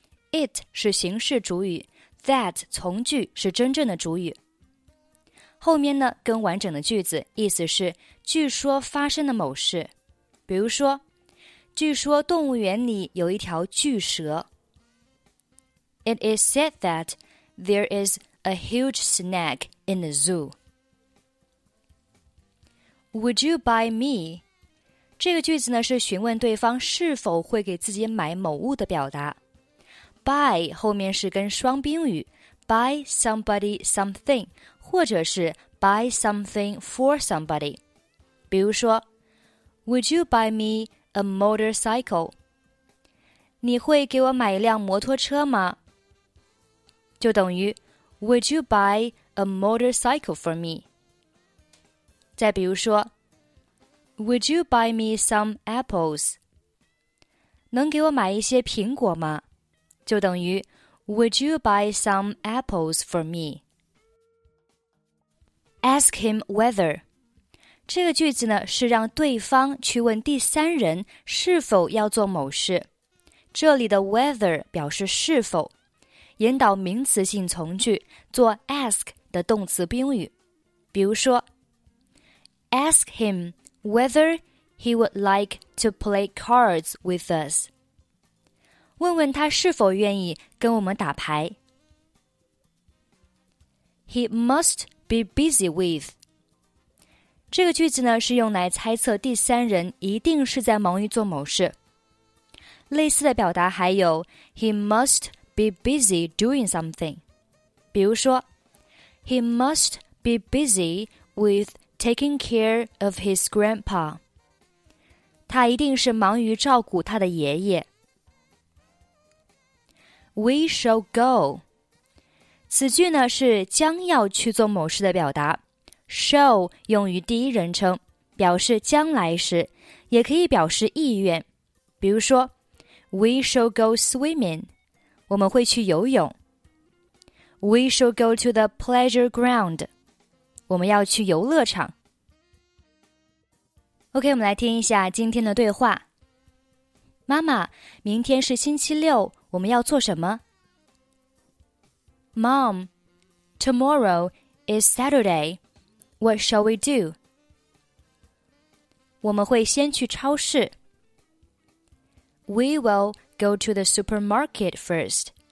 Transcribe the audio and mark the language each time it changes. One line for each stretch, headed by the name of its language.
Chinese: It 是形式主语 ,that 从句是真正的主语。后面呢跟完整的句子意思是据说发生的某事。比如说据说动物园里有一条巨蛇。
English: It is said that there is a huge snake in the zoo. Would you buy me?
Chinese: 这个句子呢是询问对方是否会给自己买某物的表达。 Buy 后面是跟双宾语 ,
English: buy somebody something,
Chinese: 或者是
English: buy something for somebody。
Chinese: 比如说
English: ,Would you buy me a motorcycle?
Chinese: 你会给我买一辆摩托车吗? 就等于
English: ,Would you buy a motorcycle for me?
Chinese: 再比如说
English: Would you buy me some apples?
Chinese: 能给我买一些苹果吗? 就等于
English: Would you buy some apples for me? Ask him whether.
Chinese: 这个句子呢是让对方去问第三人是否要做某事。这里的 whether 表示是否。引导名词性从句做 ask 的动词宾语。比如说
English: Ask himWhether he would like to play cards with us.
Chinese: 问问他是否愿意跟我们打牌。
English: He must be busy with.
Chinese: 这个句子呢是用来猜测第三人一定是在忙于做某事。类似的表达还有
English: He must be busy doing something.
Chinese: 比如说
English: He must be busy withTaking care of his grandpa.
Chinese: 他一定是忙于照顾他的爷爷。
English: We shall go.
Chinese: 此句呢是将要去做某事的表达。Shall 用于第一人称，表示将来时，也可以表示意愿。比如说
English: ,We shall go swimming.
Chinese: 我们会去游泳。
English: We shall go to the pleasure ground.
Chinese: 我们要去游乐场。 OK, 我们来听一下今天的对话。妈妈，明天是星期六，我们要做什么
English: ?Mom, tomorrow is Saturday. What shall we do?
Chinese: 我们会先去超市。
English: We will go to the supermarket first.